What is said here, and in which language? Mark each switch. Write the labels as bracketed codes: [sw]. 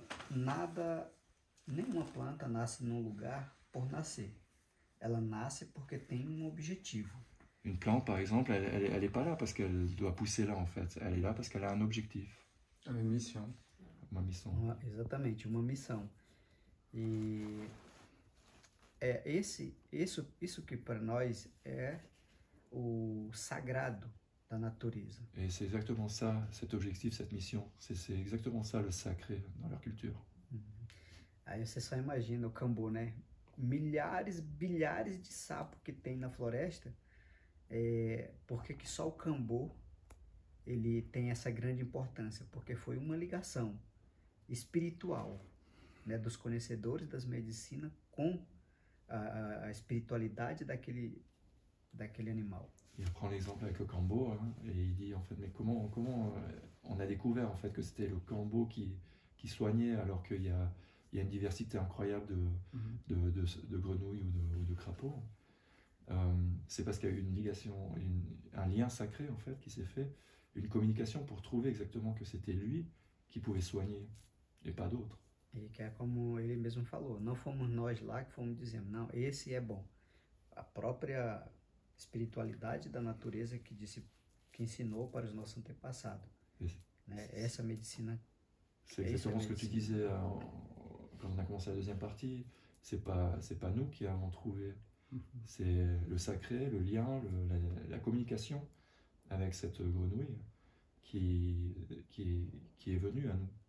[pt] Nada, nenhuma planta nasce num lugar por nascer. Ela nasce porque tem um objetivo. [fr] Une plante, par exemple, elle est pas là parce qu'elle doit pousser là, en fait. Elle est là parce qu'elle a un objectif. Une mission. [pt] Uma missão. Exatamente, uma missão. E é isso que para nós é o sagrado da natureza. [fr] E c'est exactement ça, cet objectif, cette mission. C'est exactement ça le sacré dans leur culture. [pt] Aí você só imagina o Kambo, né? Milhares, bilhares de sapos que tem na floresta. Por que que só o Kambo ele tem essa grande importância? Porque foi uma ligação espiritual, né, dos conhecedores das medicinas com a espiritualidade daquele daquele animal. [fr] Il prend l'exemple avec le cambo, hein, et il dit en fait, mais comment on a découvert en fait que c'était le cambo qui soignait, alors qu'il y a, il y a une diversité incroyable de grenouilles ou de crapauds. C'est parce qu'il y a eu une ligation, un lien sacré en fait qui s'est fait, une communication pour trouver exactement que c'était lui qui pouvait soigner et pas d'autre. Et que, comme il [pt] même falou, non fomos nós lá que fomos dizendo, non, esse é bom. A própria espiritualidade da natureza que disse, que ensinou para os nossos antepassados, né? Essa medicina. [fr] C'est exactement ce que tu disais quand on a commencé la deuxième partie. C'est pas nous qui avons trouvé. C'est le sacré, le lien, la communication avec cette grenouille qui est venue à nous.